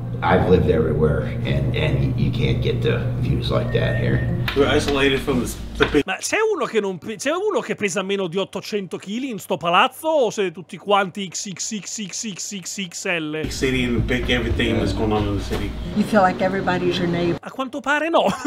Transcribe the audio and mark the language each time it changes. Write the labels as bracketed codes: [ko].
[en] I've lived everywhere and you can't get the views like that here. We're isolated from the... [it] Ma c'è uno che non c'è uno che pesa meno di 800 kg in sto palazzo o siete tutti quanti XXXXXXXL? [en] City and pick everything that's going on in the city. You feel like everybody's your neighbor. [it] A quanto pare no.